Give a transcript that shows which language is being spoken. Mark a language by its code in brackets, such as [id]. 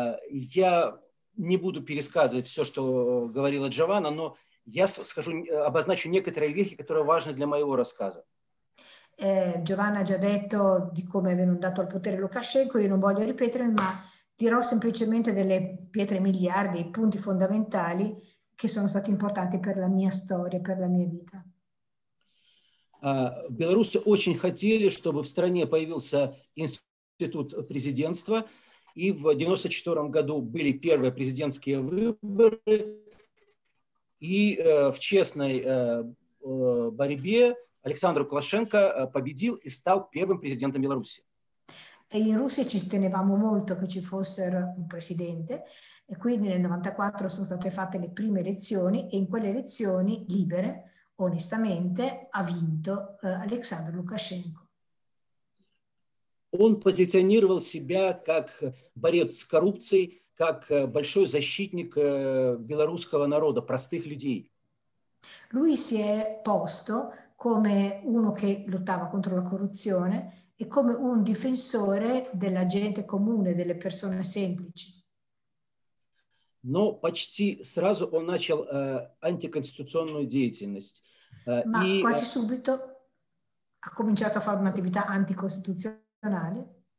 [ru] Я не буду пересказывать все, что говорила Джованна, но я скажу, обозначу некоторые вехи, которые важны для моего рассказа. [it] Джованна ha già detto di come è venuto al potere Лукашенко, io non voglio ripetermi, ma dirò semplicemente delle pietre miliari, dei punti fondamentali che sono stati importanti per la mia storia, per la mia vita. [ru] Белорусы очень хотели, чтобы в стране появился институт президентства, и в 94 году были первые президентские выборы, и в честной борьбе Александр Лукашенко победил и стал первым президентом Беларуси. [it] In Russia ci tenevamo molto che ci fossero un presidente, e quindi nel 94 sono state fatte le prime elezioni, e in quelle elezioni libere, onestamente, ha vinto Александр Лукашенко. [ru] Он позиционировал себя как борец с коррупцией, как большой защитник белорусского народа, простых людей. [it] Lui si è posto come uno che lottava contro la corruzione e come un difensore della gente comune, delle persone semplici. [ru] Но почти сразу он начал антиконституционную деятельность. [it] Ma quasi subito ha cominciato a fare un'attività anticostituzionale.